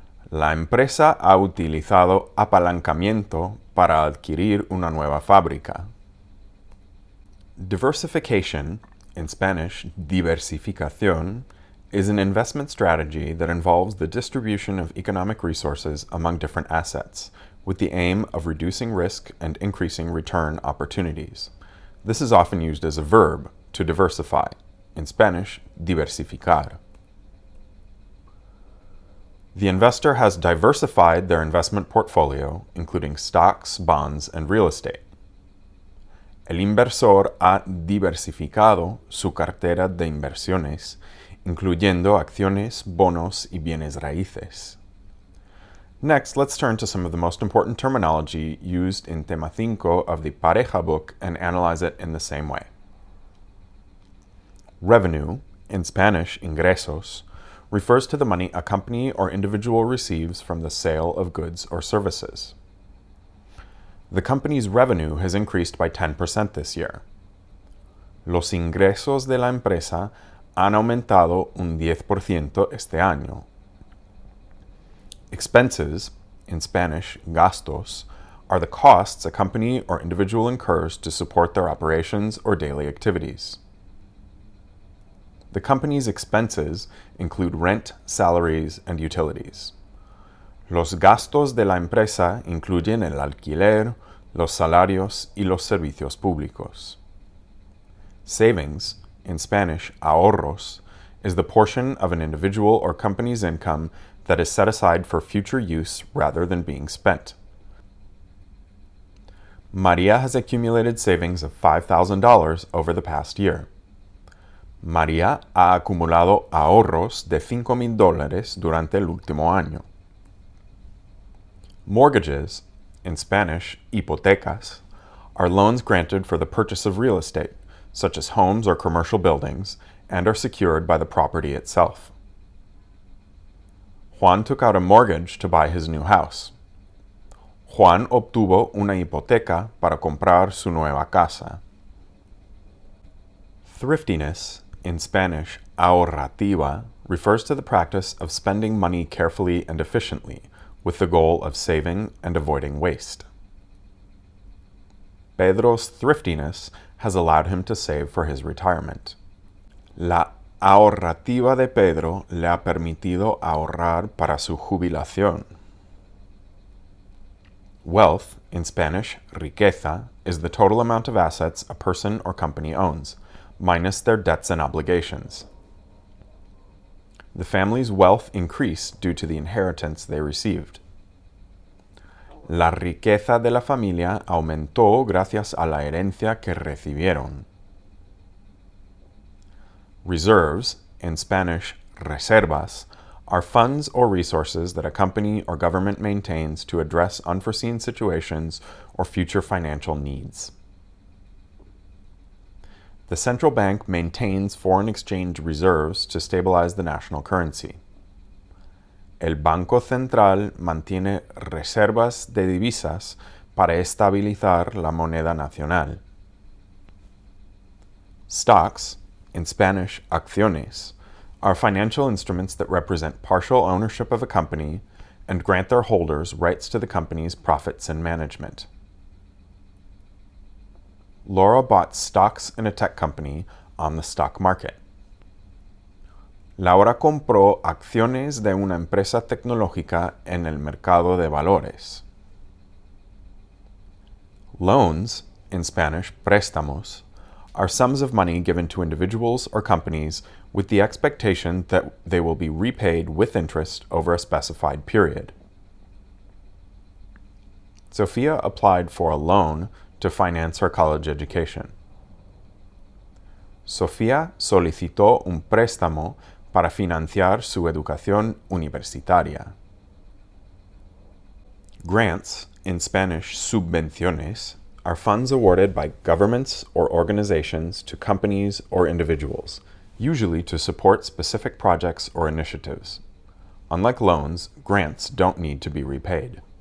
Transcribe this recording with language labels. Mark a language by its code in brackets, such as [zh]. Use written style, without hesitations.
[es] La empresa ha utilizado apalancamiento para adquirir una nueva fábrica. [en] Diversification, in Spanish, diversificación, is an investment strategy that involves the distribution of economic resources among different assets, with the aim of reducing risk and increasing return opportunities. This is often used as a verb, to diversify, in Spanish, diversificar. The investor has diversified their investment portfolio, including stocks, bonds, and real estate. [es] El inversor ha diversificado su cartera de inversiones, incluyendo acciones, bonos, y bienes raíces. [en] Next, let's turn to some of the most important terminology used in tema 5 of the Pareja book and analyze it in the same way. Revenue, in Spanish, ingresos, refers to the money a company or individual receives from the sale of goods or services. The company's revenue has increased by 10% this year. [es] Los ingresos de la empresa han aumentado un 10% este año. [en] Expenses, in Spanish, gastos, are the costs a company or individual incurs to support their operations or daily activities. The company's expenses include rent, salaries, and utilities. [es] Los gastos de la empresa incluyen el alquiler, los salarios, y los servicios públicos. [en] Savings, in Spanish, ahorros, is the portion of an individual or company's income that is set aside for future use rather than being spent. María has accumulated savings of $5,000 over the past year. [es] María ha acumulado ahorros de $5,000 durante el último año. [en] Mortgages, in Spanish, hipotecas, are loans granted for the purchase of real estate, such as homes or commercial buildings, and are secured by the property itself. Juan took out a mortgage to buy his new house. [es] Juan obtuvo una hipoteca para comprar su nueva casa. [en] Thriftiness, in Spanish, ahorrativa, refers to the practice of spending money carefully and efficiently, with the goal of saving and avoiding waste. Pedro's thriftiness has allowed him to save for his retirement. [es] La ahorrativa de Pedro le ha permitido ahorrar para su jubilación. [en] Wealth, in Spanish, riqueza, is the total amount of assets a person or company owns, minus their debts and obligations. The family's wealth increased due to the inheritance they received. [es] La riqueza de la familia aumentó gracias a la herencia que recibieron. [en] Reserves, in Spanish, reservas, are funds or resources that a company or government maintains to address unforeseen situations or future financial needs. The central bank maintains foreign exchange reserves to stabilize the national currency. [es] El Banco Central mantiene reservas de divisas para estabilizar la moneda nacional. [en] Stocks, in Spanish, acciones, are financial instruments that represent partial ownership of a company and grant their holders rights to the company's profits and management. Laura bought stocks in a tech company on the stock market. [es] Laura compró acciones de una empresa tecnológica en el mercado de valores. [en] Loans, in Spanish, préstamos, are sums of money given to individuals or companies with the expectation that they will be repaid with interest over a specified period. Sofia applied for a loan to finance her college education. [es] Sofia solicitó un préstamo para financiar su educación universitaria. [en] Grants, in Spanish, subvenciones, are funds awarded by governments or organizations to companies or individuals, usually to support specific projects or initiatives. Unlike loans, grants don't need to be repaid.